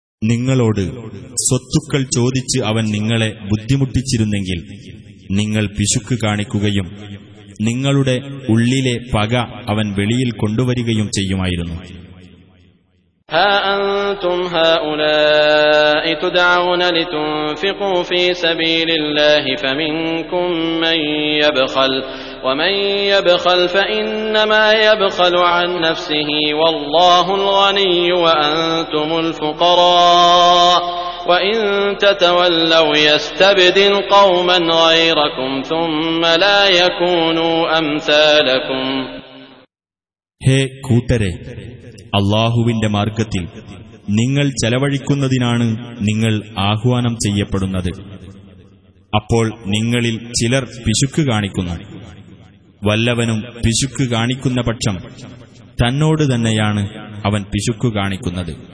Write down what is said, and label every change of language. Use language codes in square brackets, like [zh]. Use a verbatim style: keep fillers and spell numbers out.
[ml] നിങ്ങളോട് സ്വത്തുക്കൾ ചോദിച്ച് അവൻ നിങ്ങളെ ബുദ്ധിമുട്ടിച്ചിരുന്നെങ്കിൽ നിങ്ങൾ പിശുക്ക് കാണിക്കുകയും നിങ്ങളുടെ ഉള്ളിലെ പക അവൻ വെളിയിൽ കൊണ്ടുവരികയും ചെയ്യുമായിരുന്നു. [ar] ها أنتم هؤلاء تدعون لتنفقوا في سبيل الله فمنكم من يبخل ومن يبخل فإنما يبخل عن نفسه والله الغني وأنتم الفقراء وإن تتولوا يستبدل قوما غيركم ثم لا يكونوا أمثالكم. هي كوتري [ml] അല്ലാഹുവിന്റെ മാർഗ്ഗത്തിൽ നിങ്ങൾ ചെലവഴിക്കുന്നതിനാണ് നിങ്ങൾ ആഹ്വാനം ചെയ്യപ്പെടുന്നത്. അപ്പോൾ നിങ്ങളിൽ ചിലർ പിശുക്ക് കാണിക്കുന്നു. വല്ലവനും പിശുക്ക് കാണിക്കുന്ന പക്ഷം തന്നോട് തന്നെയാണ് അവൻ പിശുക്കു കാണിക്കുന്നത്.